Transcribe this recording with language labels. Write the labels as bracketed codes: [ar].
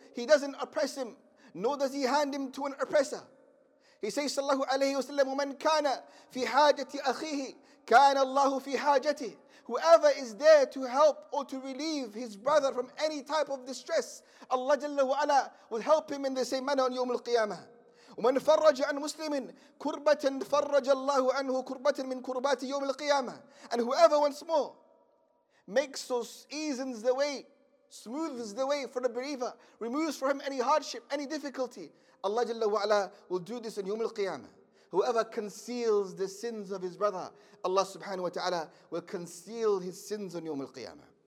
[en] He doesn't oppress him, nor does he hand him to an oppressor. He says, sallallahu alayhi wa sallam, [ar] man kana fi hajati [en] akhihi, kana Allahu fi hajati. Whoever is there to help or to relieve his brother from any type of distress, Allah jalla wa ala will help him in the same manner on Yawm al-Qiyamah. [ar] ومن فرج عن مسلم كربة فرج الله عنه كربة من كربات يوم القيامة. [en] And whoever once more makes or eases the way, smooths the way for the believer, removes from him any hardship, any difficulty, Allah Jalla wa Ala will do this in يوم القيامة. Whoever conceals the sins of his brother, Allah Subhanahu wa Ta'ala will conceal his sins on يوم القيامة.